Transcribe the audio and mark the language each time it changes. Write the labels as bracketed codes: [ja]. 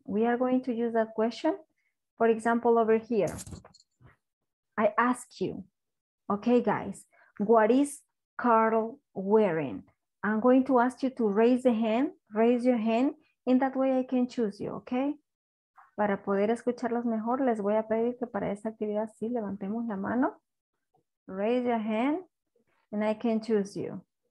[en] We are going to use that question. For example, over here, I ask you, okay, guys, what is Carl wearing? I'm going to ask you to raise the hand, raise your hand, in that way I can choose you, okay? [es] Para poder escucharlos mejor, les voy a pedir que para esta actividad sí levantemos la mano. [en] Raise your hand, and I can choose you.